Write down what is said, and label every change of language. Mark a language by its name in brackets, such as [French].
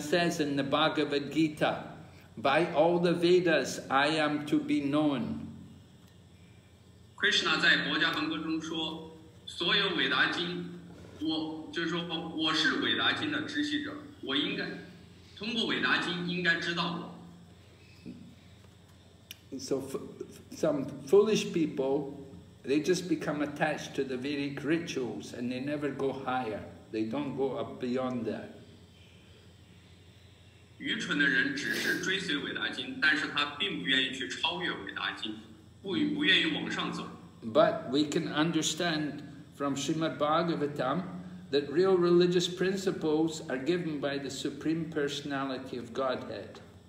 [English] says in the Bhagavad Gita, by all the Vedas I am to be known. [Chinese] Krishna 在《薄伽梵歌》中说，所有伟达经，我是伟达经的知悉者，我应该通过伟达经应该知道我。 [English] So some foolish people, they just become attached to the Vedic rituals and they never go higher. They don't go up beyond that. [Chinese] 愚蠢的人只是追随伟达经，但是他并不愿意去超越伟达经，不愿意往上走。 [English] But we can understand from Srimad Bhagavatam that real religious principles are given by the Supreme Personality of Godhead.